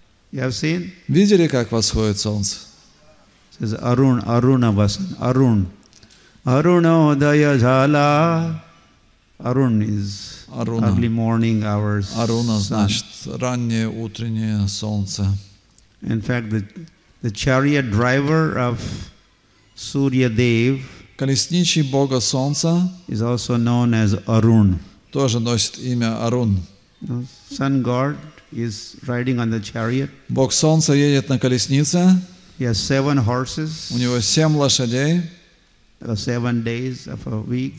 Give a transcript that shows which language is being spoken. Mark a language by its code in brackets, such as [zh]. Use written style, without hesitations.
[en] You have seen? [ru] Видели, как восходит солнце? [en] It says Arun, Arunavasan, Arun. Arunodaya jala. Arun is Aruna. Early morning hours. [ru] Aruna значит раннее утреннее солнце. [en] In fact, the chariot driver of Surya Dev, [ru] колесничий бога солнца, [en] is also known as Arun. [ru] Тоже носит имя Арун. [en] Sun god is riding on the chariot. [ru] Бог солнца едет на колеснице. [en] He has seven horses. [ru] У него семь лошадей. [en] Seven days of a week.